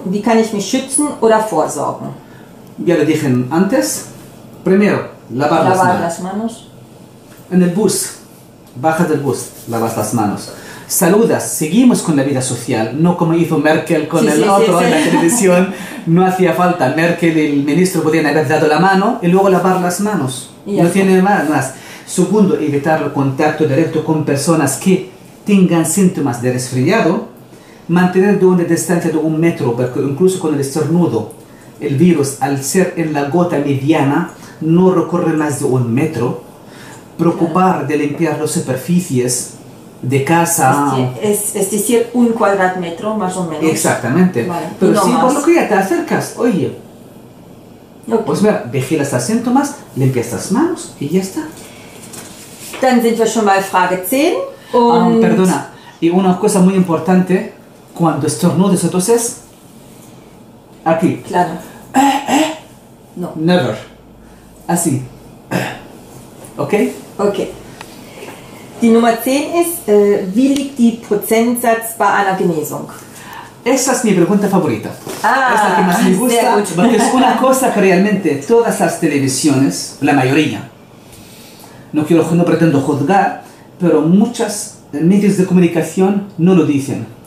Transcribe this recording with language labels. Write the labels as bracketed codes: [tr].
[de] ¿Wie kann ich mich schützen oder vorsorgen? [es] Ya lo dije antes. Primero, lavar las manos. En el bus, bajas del bus, lavas las manos. Saludas, seguimos con la vida social, no como hizo Merkel con el otro. En la televisión. No hacía falta, Merkel y el ministro podían haber dado la mano y luego lavar las manos. No tiene más. Segundo, evitar el contacto directo con personas que tengan síntomas de resfriado. mantener de una distancia de un metro, porque incluso con el estornudo, el virus, al ser en la gota mediana, no recorre más de un metro. Preocupar de limpiar las superficies de casa. Es decir, un cuadratmetro más o menos. Exactamente. Vale. Pero no si por lo que ya te acercas, oye, pues mira, vigila estos síntomas, limpia estas manos y ya está. [de] Dann sind wir schon bei Frage 10. [es] Perdona, y una cosa muy importante, cuando estornudes, entonces, aquí. Claro. No. [en] Never. [es] Así. Okay? Okay. [de] Die Nummer 10 ist, wie liegt die Prozentsatz bei einer Genesung? [es] Esa es mi pregunta favorita. Ah, es la que más me gusta, porque es una cosa que realmente todas las televisiones, la mayoría, no pretendo juzgar, pero muchas medios de comunicación no lo dicen.